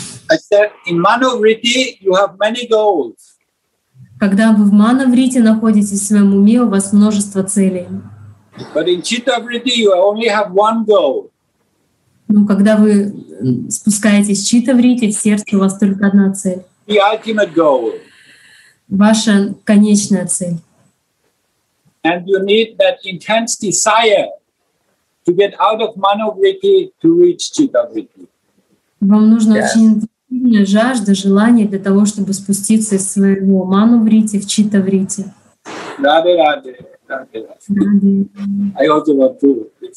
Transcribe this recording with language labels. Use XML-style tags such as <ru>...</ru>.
<en>I said, in Manavriti, you have many goals.</en> <ru>Когда вы в Манавриті находитесь в своем уме, у вас множество целей.</ru> <en>But in Chittavritti you only have one goal.</en> <ru>Ну, когда вы спускаетесь в Читтавритти, в сердце у вас только одна цель.</ru> <en>The ultimate goal.</en> <ru>Ваша конечная цель.</ru> <en>And you need that intense desire to get out of Manavritti to reach Chittavritti.</en> <ru>Вам нужна очень сильная жажда, желание для того, чтобы спуститься из своего Манавритти в Читтавритти.</ru> <en>Раде, раде. I also want to</en>